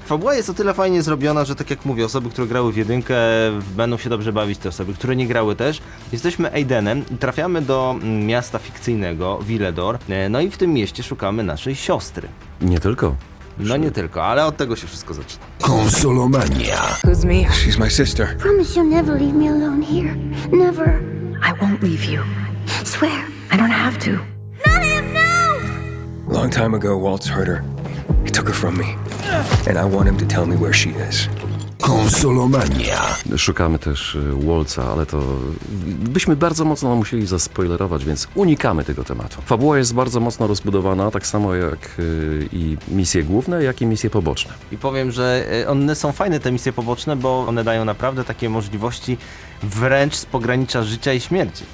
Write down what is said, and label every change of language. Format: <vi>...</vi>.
<pl>Fabuła jest o tyle fajnie zrobiona, że tak jak mówię, osoby, które grały w jedynkę, będą się dobrze bawić, te osoby, które nie grały też. Jesteśmy Aidenem i trafiamy do miasta fikcyjnego Villedor. No i w tym mieście szukamy naszej siostry. Nie tylko. No nie tylko, ale od tego się wszystko zaczyna. Konsolomania.</pl> <en>Who's me? She's my sister. Promise you'll never leave me alone here. Never. I won't leave you. Swear, I don't have to. Not him, no! Long time ago, Walt's hurt her. He took her from me. And I want him to tell me where she is.</en> <pl>Konsolomania. Szukamy też Waltza, ale to byśmy bardzo mocno musieli zaspoilerować, więc unikamy tego tematu. Fabuła jest bardzo mocno rozbudowana, tak samo jak i misje główne, jak i misje poboczne. I powiem, że one są fajne, te misje poboczne, bo one dają naprawdę takie możliwości wręcz z pogranicza życia i śmierci.</pl>